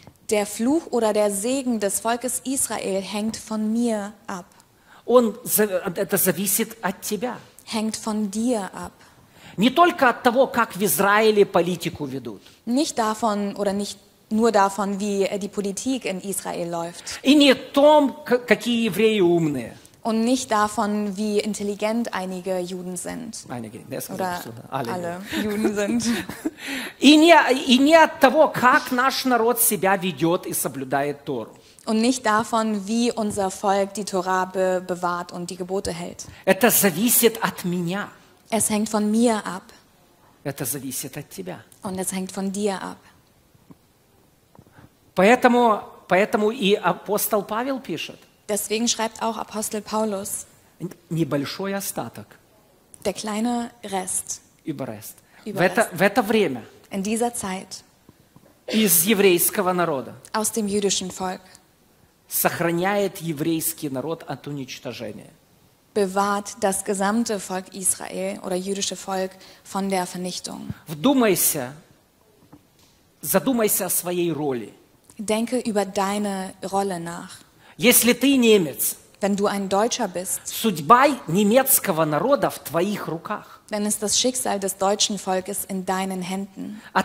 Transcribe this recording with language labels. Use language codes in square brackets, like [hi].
[de] Der Fluch oder der Segen des Volkes Israel hängt von mir ab. [ru] Он, это зависит от тебя. [de] Hängt von dir ab. [ru] Не только от того, как в Израиле политику ведут. [de] Nicht davon oder nicht nur davon, wie die Politik in Israel läuft. [ru] И не о том, какие евреи умные. [de] Und nicht davon, wie intelligent einige Juden sind. Einige, oder alle Juden sind. [ru] И не от того, как наш народ себя ведет и соблюдает Тору. [de] Und nicht davon, wie unser Volk die Tora bewahrt und die Gebote hält. [ru] Это зависит от меня. [de] Es hängt von mir ab. [ru] Это зависит от тебя. [de] Und es hängt von dir ab. [ru] Поэтому и апостол Павел пишет. [de] Deswegen schreibt auch Apostel Paulus. [ru] Небольшой остаток. [de] Der kleine Rest. Überrest. Überrest. [ru] В это время. [de] In dieser Zeit. [ru] Из еврейского народа. [de] Aus dem jüdischen Volk. [ru] Сохраняет еврейский народ от уничтожения. [de] Bewahrt das gesamte Volk Israel oder jüdische Volk von der Vernichtung. [ru] Вдумайся, задумайся о своей роли. [de] Denke über deine Rolle nach. [ru] Если ты немец, [de] wenn du ein Deutscher bist, [ru] судьба немецкого народа в твоих руках. [de] Dann ist das Schicksal des deutschen Volkes in deinen Händen.